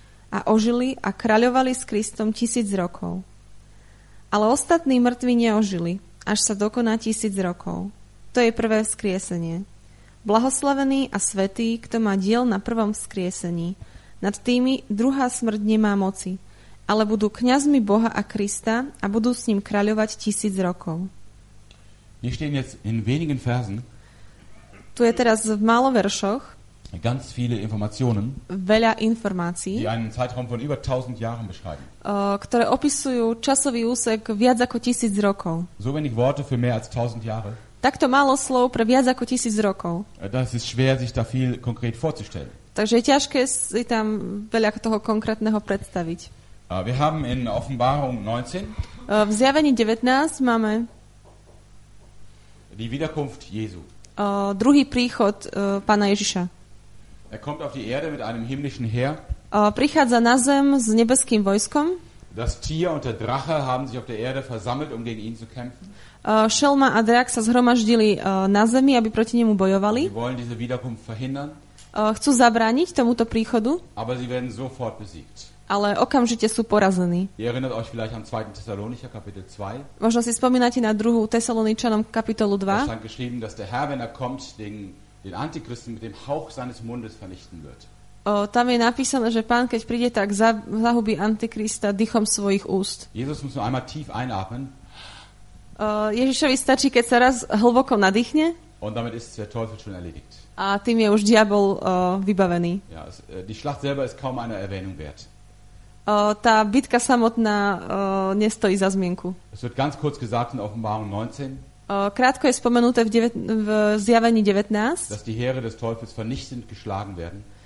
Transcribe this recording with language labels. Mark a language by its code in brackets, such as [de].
[sk] A ožili a kráľovali s Kristom 1000 rokov. Ale ostatní mŕtvi neožili, až sa dokoná 1000 rokov. To je prvé vzkriesenie. Blahoslavený a svätý, kto má diel na prvom vzkriesení. Nad tými druhá smrť nemá moci, ale budú kňazmi Boha a Krista a budú s ním kráľovať 1000 rokov. [de] Wir stehen jetzt in wenigen Versen. [sk] Tu je teraz v málo veršoch. [de] Ganz viele Informationen. [sk] Veľa informácií. [de] Die einen Zeitraum von über 1000 Jahren beschreiben. [sk] Ktoré opisujú časový úsek viac ako 1000 rokov. [de] So wenig Worte für mehr als 1000 Jahre. [sk] Takto málo slov pre viac ako 1000 rokov. [de] Das ist schwer, sich da viel konkret vorzustellen. [sk] Takže je ťažké si tam veľa toho konkrétneho predstaviť. [de] Wir haben in Offenbarung 19. [sk] V zjavení 19 máme [de] die Wiederkunft Jesu. [sk] Druhý príchod Pána Ježiša. [de] Er kommt auf die Erde mit einem himmlischen Heer. [sk] Prichádza na zem s nebeským vojskom. [de] Das Tier und der Drache haben sich auf der Erde versammelt, um gegen ihn zu kämpfen. [sk] Šelma a drak sa zhromaždili na zemi, aby proti nemu bojovali. [de] Sie wollen diese Wiederkunft verhindern. [sk] Chcú zabrániť tomuto príchodu. [de] Aber sie werden sofort besiegt. [sk] Ale okamžite sú porazení. [de] Ihr erinnert euch vielleicht an 2. Thessalonicher Kapitel 2. [sk] Možno si spomínate na 2. Tesaloničanom kapitolu 2. [de] Da stand geschrieben, dass der Herr, wenn er kommt, den Antichristen mit dem Hauch seines Mundes vernichten wird. [sk] Tam je napísané, že Pán, keď príde, tak zahubí Antikrista dýchom svojich úst. [de] Jesus muss nur einmal tief einatmen. [sk] Ježišovi stačí, keď sa raz hlboko nadýchne. [de] Und damit ist der Teufel schon erledigt. [sk] A tým je už diabol vybavený. [de] Ja, die Schlacht selber ist kaum einer Erwähnung wert. [sk] Tá bitka samotná nestojí za zmienku. [de] Es wird ganz kurz gesagt in Offenbarung 19. [sk] Krátko je spomenuté v zjavení 19. [de] Dass die Heere des Teufels vernichtend geschlagen werden.